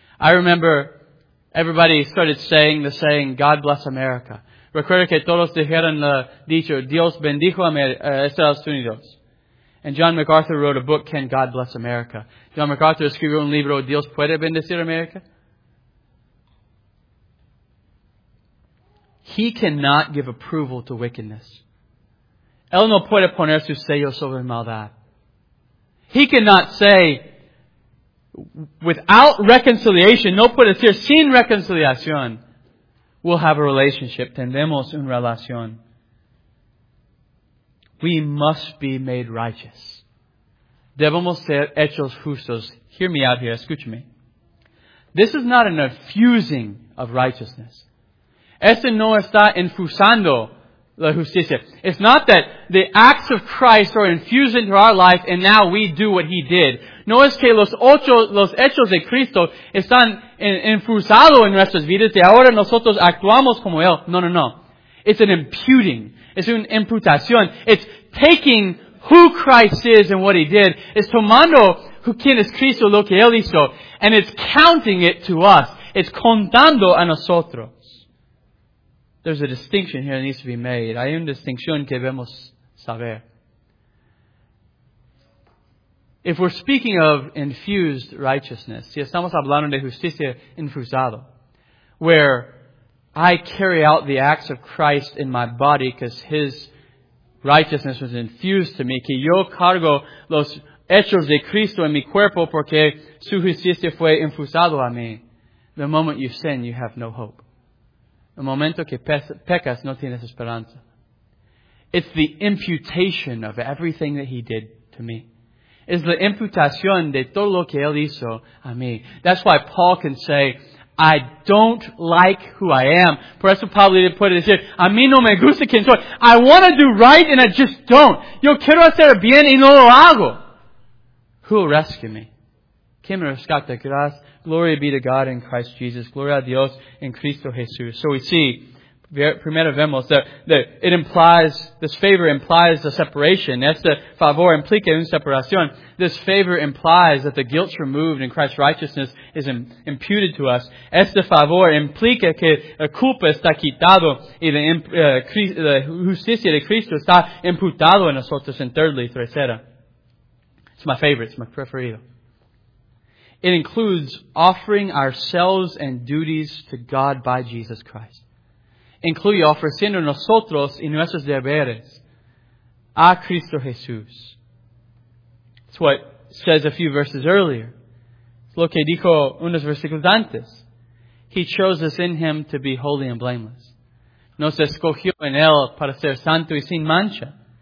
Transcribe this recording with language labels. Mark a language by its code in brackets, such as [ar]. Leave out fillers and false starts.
[en] I remember everybody started saying the saying, God bless America. [es] Recuerdo que todos dijeron la dicho, Dios bendijo a Estados Unidos. [en] And John MacArthur wrote a book, Can God Bless America? [es] John MacArthur escribió un libro, Dios puede bendecir America? [en] He cannot give approval to wickedness. [es] Él no puede poner su sello sobre maldad. [en] He cannot say, without reconciliation, [es] no puede decir sin reconciliación, [en] we'll have a relationship, [es] tendremos una relación. [en] We must be made righteous. [es] Debemos ser hechos justos. [en] Hear me out here, [es] escúchame. [en] This is not an infusing of righteousness. [es] Este no está infusando la justicia. [en] It's not that the acts of Christ are infused into our life and now we do what he did. [es] No es que los hechos de Cristo están infusados en nuestras vidas y ahora nosotros actuamos como él. [en] No, no, no. It's an imputing. It's an imputación. It's taking who Christ is and what he did. [es] It's tomando who quien es Cristo, lo que él hizo. [en] And it's counting it to us. It's [es] contando a nosotros. [en] There's a distinction here that needs to be made. [es] Hay una distinción que debemos saber. [en] If we're speaking of infused righteousness, [es] si estamos hablando de justicia infusado, [en] where I carry out the acts of Christ in my body because his righteousness was infused to me, [es] que yo cargo los hechos de Cristo en mi cuerpo porque su justicia fue infusado a mí, [en] the moment you sin, you have no hope. [es] The momento que pecas, no tienes esperanza. [en] It's the imputation of everything that he did to me. It's the [es] imputación de todo lo que él hizo a mí. [en] That's why Paul can say, I don't like who I am. [es] Por eso Pablo le puede decir, a mí no me gusta quien soy. [en] I want to do right and I just don't. [es] Yo quiero hacer bien y no lo hago. [en] Who will rescue me? [es] ¿Quién me rescatará? [en] Glory be to God in Christ Jesus. [es] Gloria a Dios en Cristo Jesús. [en] So we see, [es] primero vemos, [en] that it implies, this favor implies a separation. [es] Este favor implica una separación. [en] This favor implies that the guilt's removed and Christ's righteousness is imputed to us. [es] Este favor implica que la culpa está quitado y la justicia de Cristo está imputado en nosotros. [en] And thirdly, [es] tercera. [en] It's my favorite, it's my [es] preferido. [en] it includes offering ourselves and duties to God by Jesus Christ. [es] Incluye ofreciendo nosotros y nuestros deberes a Cristo Jesús. [en] It's what says a few verses earlier. It's [es] lo que dijo unos versículos antes. [en] He chose us in Him to be holy and blameless. [es] Nos escogió en Él para ser santo y sin mancha.